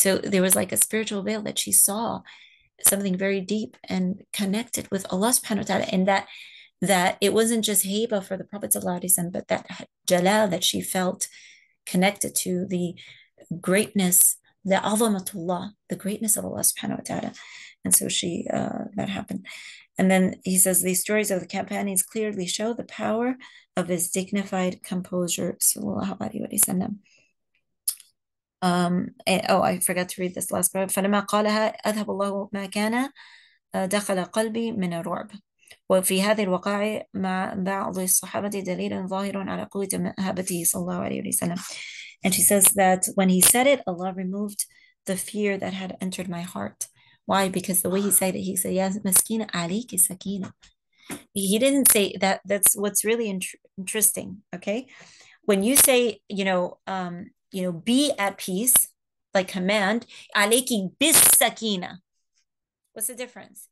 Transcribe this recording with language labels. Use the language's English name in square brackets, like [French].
[English] So there was like a spiritual veil that she saw. Something very deep and connected with Allah subhanahu wa ta'ala, and that it wasn't just haba for the Prophet sallallahu alaihi wasallam, but that jalal that she felt connected to the greatness, the azamatullah, the greatness of Allah subhanahu wa ta'ala. And so she, that happened. And then he says, these stories of the Kapanis clearly show the power of his dignified composure. Sallallahu alayhi wa sallam. I forgot to read this last part. [Arabic] فَلَمَا قَالَهَا أَذْهَبُ اللَّهُ مَا كَانَ دَخَلَ قَلْبِي مِنَ الرُّعْبِ. وفي هذه الوقائع مع بعض الصحابة دليل ظاهر على قوة مهابته صلى الله عليه وسلم. [English] And she says that when he said it, Allah removed the fear that had entered my heart. Why? Because the way he said it, he said, [Arabic] Ya maskina alayki sakina. [English] He didn't say that. That's what's really interesting, okay? When you say, be at peace, like command, [Arabic] alayki bis sakina. [English] What's the difference?